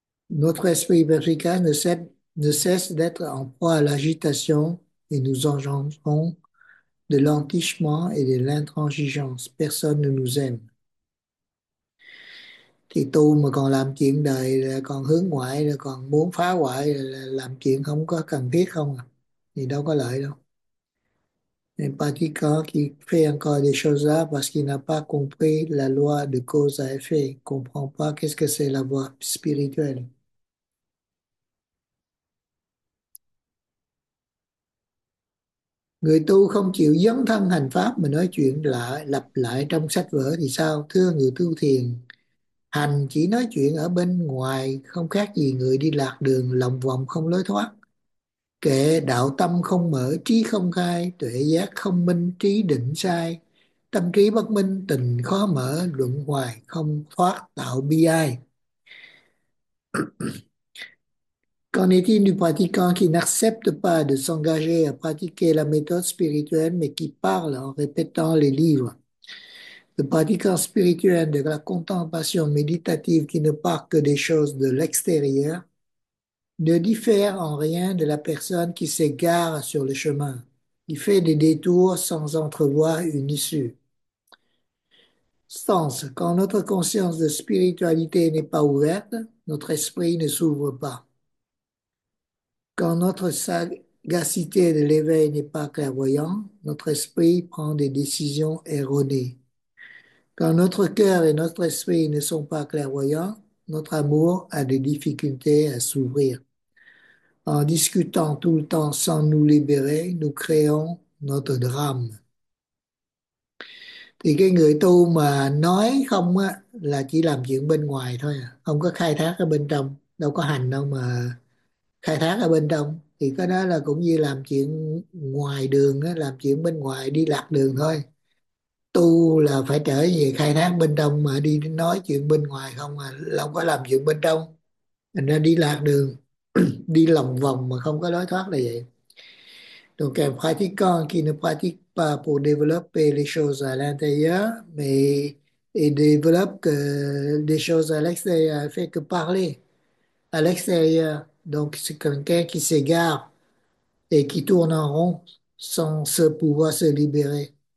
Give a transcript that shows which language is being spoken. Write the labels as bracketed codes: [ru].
[fr] Notre esprit perspicace ne cesse d'être en proie à l'agitation et nous engendrons de l'entichement et de l'intransigeance. Personne ne nous aime. [vi] Thì tu mà còn làm chuyện đời là còn hướng ngoại, là còn muốn phá hoại, là làm chuyện không có cần thiết không à? Thì đâu có lợi đâu. [fr] Les pratiquants qui fait encore des choses là parce qu'il n'a pas compris la loi de cause à effet, comprend pas qu'est-ce que c'est la voie spirituelle. [vi] Người tu không chịu dấn thân hành pháp mà nói chuyện lại lặp lại trong sách vở thì sao? Thưa, người tu thiền hành chỉ nói chuyện ở bên ngoài, không khác gì người đi lạc đường lòng vòng không lối thoát. Kệ, đạo tâm không mở, trí không khai, tuệ giác không minh, trí định sai. Tâm trí bất minh, tình khó mở, luận hoài không thoát, tạo bi ai. [fr] Qu'en est-il du pratiquant qui n'accepte pas de s'engager à pratiquer la méthode spirituelle, mais qui parle en répétant les livres? Le pratiquant spirituel de la contemplation méditative qui ne parle que des choses de l'extérieur ne diffère en rien de la personne qui s'égare sur le chemin, qui fait des détours sans entrevoir une issue. Sens, quand notre conscience de spiritualité n'est pas ouverte, notre esprit ne s'ouvre pas. Quand notre sagacité de l'éveil n'est pas clairvoyant, notre esprit prend des décisions erronées. Quand notre cœur et notre esprit ne sont pas clairvoyants, notre amour a des difficultés à s'ouvrir. En discutant tout le temps sans nous libérer, nous créons notre drame. [vi] Thì cái người tu mà nói không á là chỉ làm chuyện bên ngoài thôi, không có khai thác ở bên trong, đâu có hành đâu mà khai thác ở bên trong, thì cái đó là cũng như làm chuyện ngoài đường á, làm chuyện bên ngoài đi lạc đường thôi. Tu là phải trở về khai thác bên trong, mà đi nói chuyện bên ngoài không à, là không có làm chuyện bên trong, thành ra đi lạc đường, đi lòng vòng mà không có lối thoát là vậy. [fr] Donc un pratiquant qui ne pratique pas pour développer les choses à l'intérieur, mais il développe des choses à l'extérieur, fait que parler à l'extérieur. Donc c'est quelqu'un qui s'égare et qui tourne en rond sans se pouvoir se libérer.